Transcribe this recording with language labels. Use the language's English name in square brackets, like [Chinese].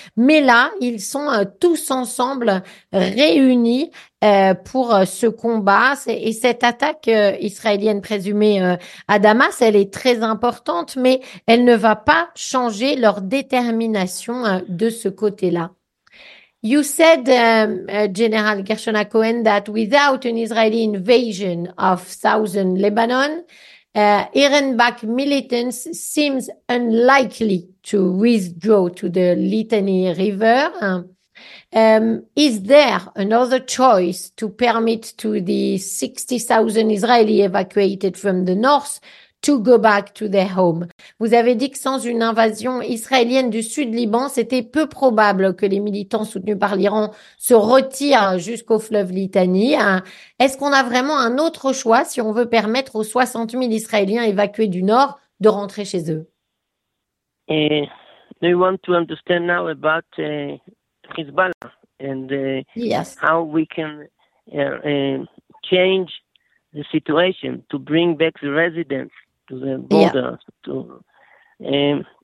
[French] Mais là, ils sont tous ensemble réunis pour ce combat. Et cette attaque israélienne présumée à Damas, elle est très importante, mais elle ne va pas changer leur détermination de ce côté-là. [English] You said, General Gershon HaCohen, that without an Israeli invasion of southern Lebanon, Iran-backed militants seems unlikely to withdraw to the Litani River. Is there another choice to permit to the 60,000 Israelis evacuated from the north to go back to their home? [French] Vous avez dit que sans une invasion israélienne du sud Liban, c'était peu probable que les militants soutenus par l'Iran se retirent jusqu'au fleuve Litani. Est-ce qu'on a vraiment un autre choix si on veut permettre aux 60 000 Israéliens évacués du nord de rentrer chez eux? [English] Do you want to understand now about Hezbollah and yes, how we can change the situation to bring back the residents to the border. Yeah.